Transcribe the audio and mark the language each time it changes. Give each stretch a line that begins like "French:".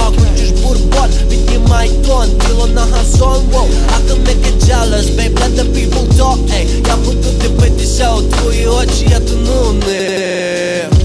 Ukrainian: Хочеш бурбон, піднімай тон. Тіло на газон, воу.
English: I can make it jealous, babe. Let the people talk, ей.
Ukrainian: Я буду дивитися у твої очі, я тону в них.